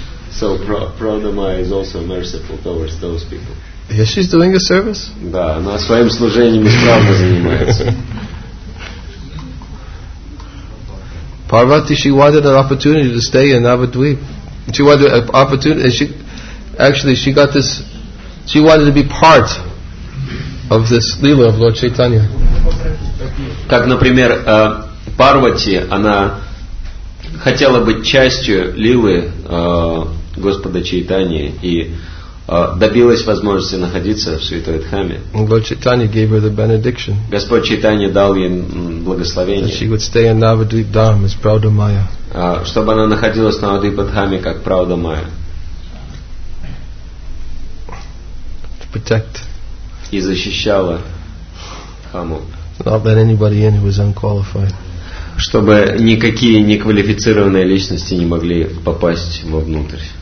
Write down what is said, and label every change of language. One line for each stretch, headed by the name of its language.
English: So Prada Maya is also merciful towards those people. Yes, she's doing a service.
Russian: Да, она своим служением исправно занимается.
English: Parvati, she wanted an opportunity to stay in Navadvip. She wanted an opportunity. She got this. She wanted to be part of this lila of Lord Chaitanya.
Russian: Как, например, Парвати, она хотела быть частью лилы Господа Чайтани и добилась возможности находиться в Святой Дхаме.
English: Lord Chaitanya gave her the benediction.
Russian: Господь Чайтани дал ей благословение.
English: That she would stay in Navadvip Dham as Prauda Maya.
Russian: Чтобы она находилась в Навадвипа Дхаме как Прауда Майя.
English: To protect.
Russian: И защищала Хаму.
English: Not let anybody in who was unqualified.
Russian: Чтобы никакие неквалифицированные личности не могли попасть вовнутрь.